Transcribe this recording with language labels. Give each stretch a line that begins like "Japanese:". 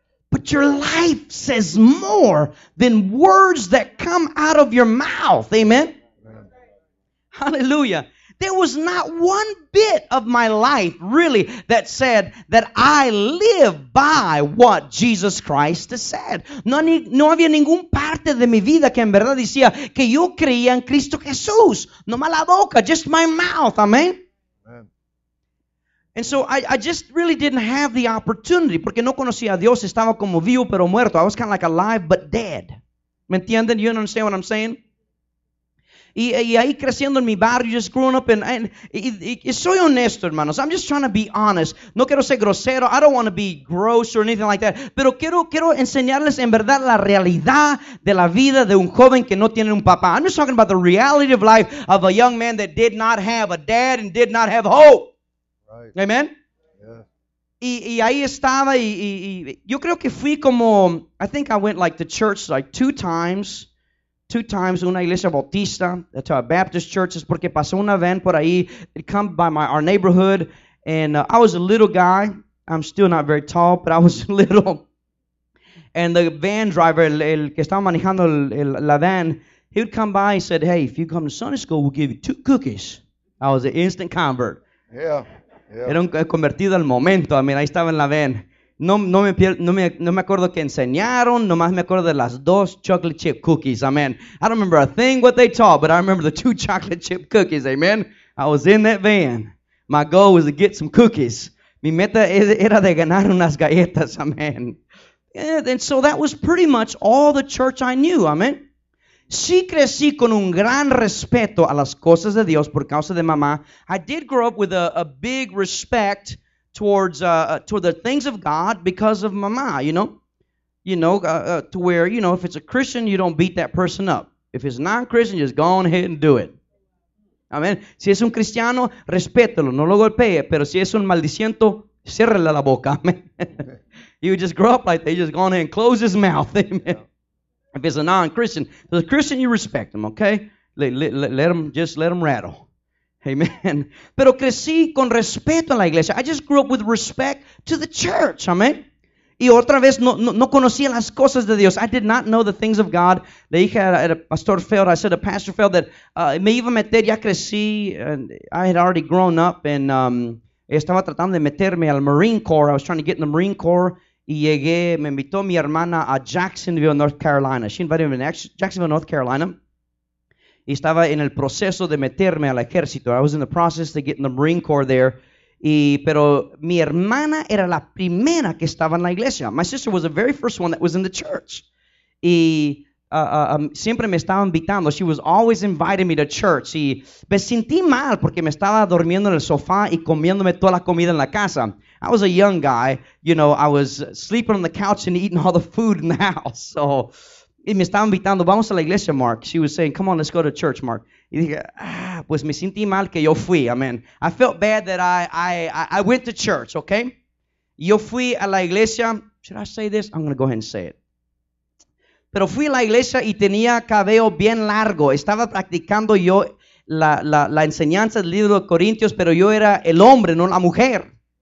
English: But your life says more than words that come out of your mouth. Amen? Amen. Hallelujah. There was not one bit of my life, really, that said that I live by what Jesus Christ has said.
Spanish: No había ningún parte de mi vida que en verdad decía que yo creía en Cristo Jesús. No más la boca,
English: just my mouth.
Spanish: Amen.
English: And so I just really didn't have the opportunity.
Spanish: Porque no conocía a Dios. Estaba como vivo pero muerto.
English: I was kind of like alive but dead.
Spanish: ¿Me entienden?
English: You understand what I'm saying?
Spanish: Y ahí creciendo en mi barrio,
English: just growing up,
Spanish: y soy honesto, hermanos.
English: I'm just trying to be honest.
Spanish: No quiero ser grosero.
English: I don't want to be gross or anything like that.
Spanish: Pero quiero enseñarles en verdad la realidad de la vida de un joven que no tiene un papá.
English: I'm just talking about the reality of life of a young man that did not have a dad and did not have hope. Right. Amen? Yeah.
Spanish: Y ahí estaba, y yo creo que fui como,
English: I think I went like to church like two times,
Spanish: una iglesia bautista,
English: to a Baptist church,
Spanish: es porque pasó una van por ahí,
English: it come by our neighborhood, and I was a little guy, I'm still not very tall, but I was little, and the van driver,
Spanish: el que estaba manejando la van,
English: he would come by and said, hey, if you come to Sunday school, we'll give you two cookies. I was an instant convert. Yeah.
Spanish: Era un convertido al momento,
English: I mean,
Spanish: ahí estaba en la van. No me acuerdo que enseñaron, nomás me acuerdo de las dos chocolate chip cookies, amen.
English: I don't remember a thing what they taught, but I remember the two chocolate chip cookies, amen. I was in that van. My goal was to get some cookies.
Spanish: Mi meta era de ganar unas galletas, amen.
English: And so that was pretty much all the church I knew, amen.
Spanish: Sí crecí con un gran respeto a las cosas de Dios por causa de mamá.
English: I did grow up with a big respect toward the things of God because of mama, to where, you know, if it's a Christian, you don't beat that person up. If it's non-Christian, just go on ahead and do it. Amen.
Spanish: Si es un cristiano, respételo, no lo golpee, pero si es un maldiciento, ciérrele la boca. Amen.
English: You would just grow up like that, you just go on ahead and close his mouth. Amen. If it's a non-Christian, if it's a Christian, you respect him, okay? Let him rattle. Amen.
Spanish: Pero crecí con respeto a la iglesia.
English: I just grew up with respect to the church.
Spanish: Amen. Y otra vez no conocía las cosas de Dios.
English: I did not know the things of God.
Spanish: Le dije a Pastor Feld,
English: I said a Pastor Feld, that
Spanish: me iba a meter, ya crecí,
English: and I had already grown up, and
Spanish: estaba tratando de meterme al Marine Corps.
English: I was trying to get in the Marine Corps.
Spanish: Y llegué, me invitó mi hermana a Jacksonville, North Carolina.
English: She invited me to Jacksonville, North Carolina.
Spanish: Y estaba en el proceso de meterme al ejército.
English: I was in the process to get in the Marine Corps there.
Spanish: Pero mi hermana era la primera que estaba en la iglesia.
English: My sister was the very first one that was in the church.
Spanish: Siempre me estaba invitando.
English: She was always inviting me to church.
Spanish: Y me sentí mal porque me estaba durmiendo en el sofá y comiéndome toda la comida en la casa.
English: I was a young guy. You know, I was sleeping on the couch and eating all the food in the house. So...
Spanish: Y me estaba invitando, vamos a la iglesia, Mark.
English: She was saying, come on, let's go to church, Mark.
Spanish: Y dije, pues me sentí mal que yo fui, amen.
English: I felt bad that I went to church, okay?
Spanish: Yo fui a la iglesia,
English: should I say this? I'm going to go ahead and say it.
Spanish: Pero fui a la iglesia y tenía cabello bien largo. Estaba practicando yo la enseñanza del libro de Corintios, pero yo era el hombre, no la mujer.